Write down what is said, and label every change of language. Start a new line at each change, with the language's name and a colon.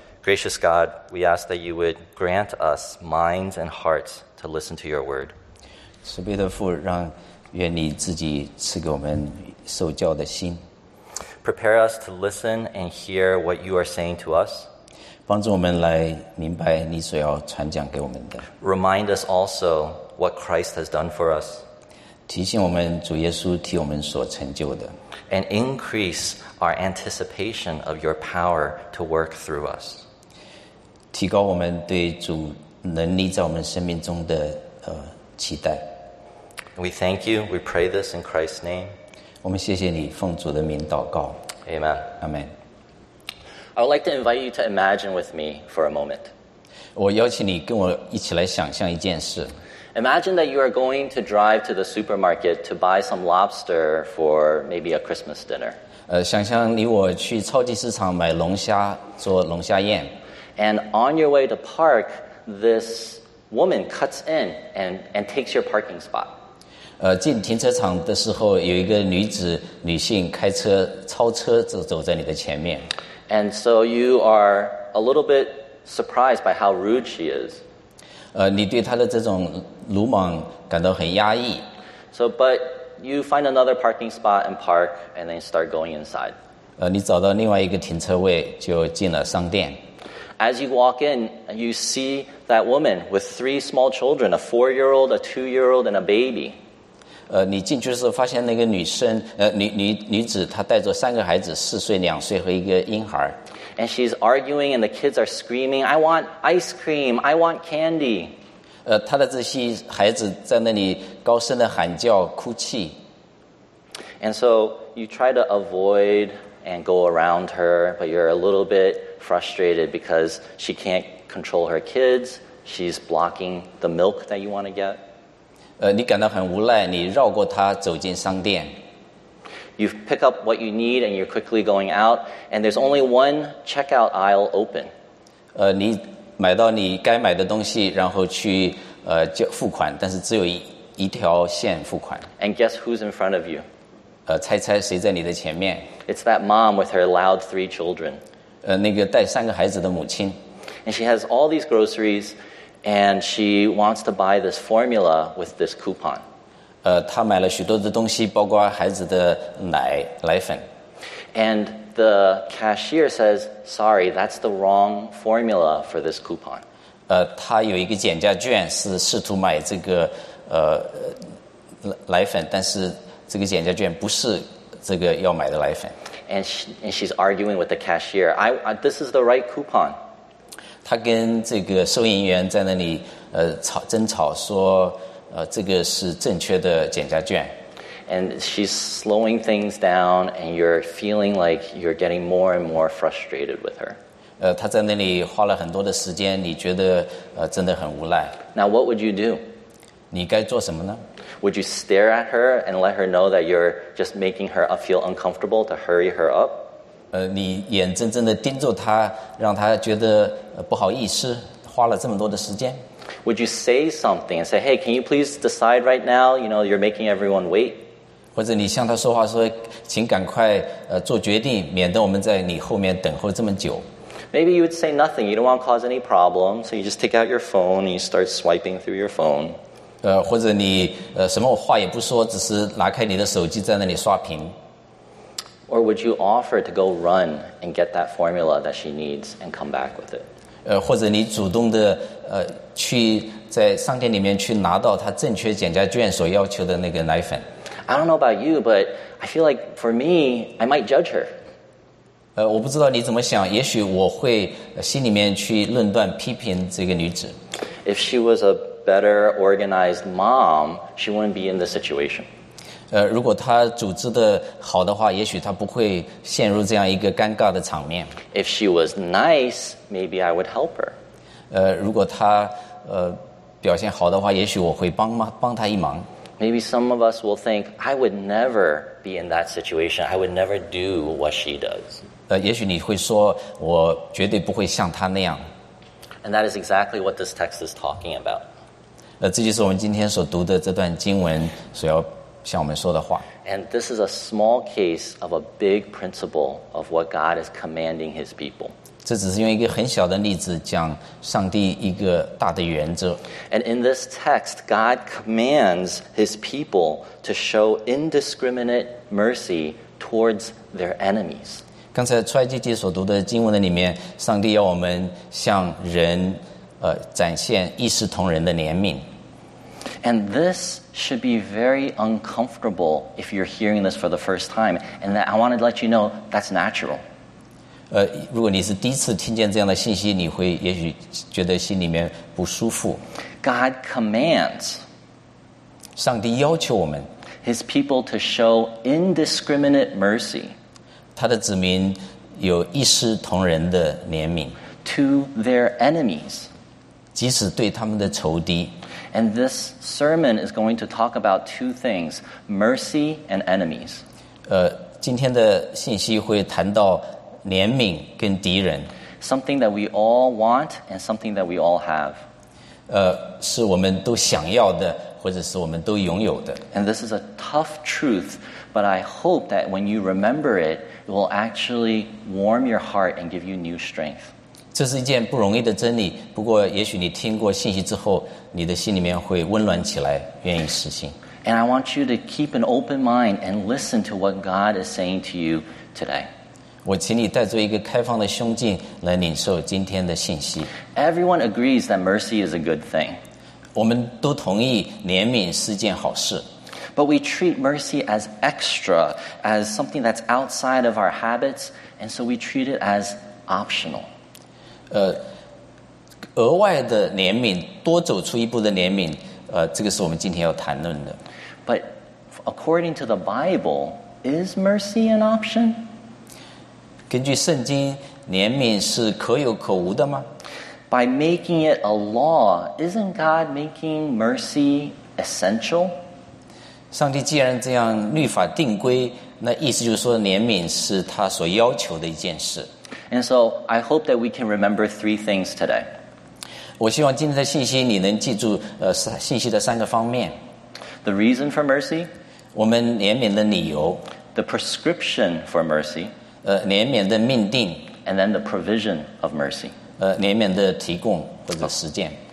English: Gracious God, we ask that you would grant us minds and hearts to listen to your word.
Chinese: 慈悲的父，让愿你自己赐给我们受教的心。
English: Prepare us to listen and hear what you are saying to us.
Chinese: 帮助我们来明白你所要传讲给我们的。
English: Remind us also what Christ has done for us.
Chinese: 提醒我们主耶稣替我们所成就的。
English: And increase our anticipation of your power to work through us.
Chinese: 提高我们对主能力在我们生命中的期待。
English: We thank you. We pray this in Christ's name.
Chinese: 我们谢谢你，奉主的名祷告。
English: Amen. Amen. I would like to invite you to imagine with me for a moment.
Chinese: 我邀请你跟我一起来想象一件事。
English: Imagine that you are going to drive to the supermarket to buy some lobster for maybe a Christmas dinner.
Chinese: 想象你我去超级市场买龙虾做龙虾宴。
English: And on your way to park, this woman cuts in and takes your parking spot.
Chinese: 进停车场的时候，有一个女性开车超车走在你的前面。
English: And so you are a little bit surprised by how rude she is.
Chinese: 你对她的这种鲁莽感到很压抑。
English: So, but you find another parking spot and park, and then start going inside.
Chinese: 你找到另外一个停车位，就进了商店。
English: As you walk in, you see that woman with three small children, a four-year-old, a two-year-old, and a baby.
Chinese: 你进去的时候发现那个女生女子她带着三个孩子四岁两岁和一个婴孩。
English: And she's arguing and the kids are screaming, I want ice cream, I want candy.
Chinese: 她的这些孩子在那里高声的喊叫哭泣。
English: And so you try to avoid and go around her, but you're a little bit frustrated because she can't control her kids. She's blocking the milk that you want to get.
Chinese: 你感到很无奈，你绕过他走进商店。
English: You pick up what you need and you're quickly going out, and there's only one checkout aisle open.
Chinese: 你买到你该买的东西，然后去付款，但是只有一条线付款。
English: And guess who's in front of you?
Chinese: 猜猜谁在你的前面
English: ？It's that mom with her loud three children.
Chinese: 那个带三个孩子的母亲。
English: And she has all these groceries. And she wants to buy this formula with this coupon.
Chinese: 她买了许多的东西，包括孩子的奶粉。
English: And the cashier says, "Sorry, that's the wrong formula for this coupon."
Chinese: 她有一个减价券，是试图买这个奶粉，但是这个减价券不是这个要买的奶粉。
English: And she's arguing with the cashier. This is the right coupon.
Chinese: 他跟这个收银员在那里争吵说这个是正确的减价券。
English: And she's slowing things down and you're feeling like you're getting more and more frustrated with her.
Chinese: 他在那里花了很多的时间，你觉得真的很无奈。
English: Now what would you do?
Chinese: 你该做什么呢？
English: Would you stare at her and let her know that you're just making her feel uncomfortable to hurry her up?
Chinese: 你眼睁睁地盯着他，让他觉得不好意思，花了这么多的时间。
English: Would you say something and say, "Hey, can you please decide right now? You know, you're making everyone wait."
Chinese: 或者你向他说话说，请赶快做决定，免得我们在你后面等候这么久。
English: Maybe you would say nothing. You don't want to cause any problem, so you just take out your phone and you start swiping through your phone.
Chinese: 或者你什么话也不说，只是拿开你的手机在那里刷屏。
English: Or would you offer to go run and get that formula that she needs and come back with it?
Chinese: 或者你主动的去在商店里面去拿到她正确减价券所要求的那个奶粉。
English: I don't know about you, but I feel like for me, I might judge her.
Chinese: 我不知道你怎么想，也许我会心里面去论断批评这个女子。
English: If she was a better organized mom, she wouldn't be in this situation.
Chinese: 如果她组织的好的话，也许她不会陷入这样一个尴尬的场面。
English: If she was nice, maybe I would help her.
Chinese: 如果她表现好的话，也许我会帮她一忙。
English: Maybe some of us will think, I would never be in that situation. I would never do what she does.
Chinese: 也许你会说，我绝对不会像她那样。
English: And that is exactly what this text is talking about.
Chinese: 这就是我们今天所读的这段经文所要向我们说的话。
English: And this is a small case of a big principle of what God is commanding his people.
Chinese: 这只是用一个很小的例子讲上帝一个大的原则。
English: And in this text, God commands his people to show indiscriminate mercy towards their enemies.
Chinese: 刚才出埃及记所读的经文的里面，上帝要我们向人展现一视同仁的怜悯。
English: And this should be very uncomfortable if you're hearing this for the first time. And that I want to let you know that's natural.
Chinese: 如果你是第一次听见这样的信息，你会也许觉得心里面不舒服。
English: God commands.
Chinese: 上帝要求我们。
English: His people to show indiscriminate mercy.
Chinese: 他的子民有一视同仁的怜悯
English: to their enemies,
Chinese: 即使对他们的仇敌。
English: And this sermon is going to talk about two things, mercy and enemies.
Chinese: 今天的信息会谈到怜悯跟敌人。
English: Something that we all want and something that we all have.
Chinese: 是我们都想要的或者是我们都拥有的。
English: And this is a tough truth, but I hope that when you remember it,It will actually warm your heart and give you new strength.
Chinese: 这是一件不容易的真理，不过也许你听过信息之后，你的心里面会温暖起来，愿意实行。
English: And I want you to keep an open mind and listen to what God is saying to you today.
Chinese: 我请你带着一个开放的胸襟来领受今天的信息。
English: Everyone agrees that mercy is a good thing.
Chinese: 我们都同意怜悯是件好事。
English: But we treat mercy as extra, as something that's outside of our habits, and so we treat it as optional.
Chinese: 额外的怜悯，多走出一步的怜悯，这个是我们今天要谈论的。
English: But according to the Bible, is mercy an option?
Chinese: 根据圣经，怜悯是可有可无的吗？
English: By making it a law, isn't God making mercy essential?
Chinese: 上帝既然这样律法定规，那意思就是说怜悯是他所要求的一件事。
English: And so I hope that we can remember three things today.
Chinese: 我希望今天的信息你能记住信息的三个方面。
English: The reason for mercy.
Chinese: 我们怜悯的理由。
English: The prescription for mercy.
Chinese: 怜悯的命定。
English: And then the provision of mercy.
Chinese: 怜悯的提供或者实践。